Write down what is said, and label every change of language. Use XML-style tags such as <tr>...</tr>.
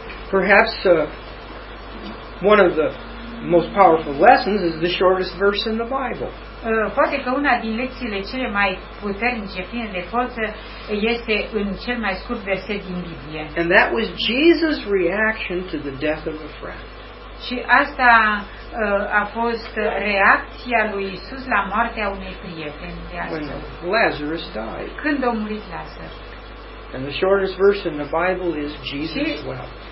<en>Perhaps one of the most powerful lessons is the shortest verse in the Bible.</en> <ro>Poate că una din lecțiile cele mai puternice, pline de forță, este în cel mai scurt verset din Biblie.</ro> <en>And that was Jesus' reaction to the death of a friend.</en> <ro>Și asta a fost reacția lui Iisus la moartea unei prieteni de</ro> <en>Lazarus died.</en> <ro>Când a murit Lazar.</ro> <en>And the shortest verse in the Bible is Jesus wept.</en>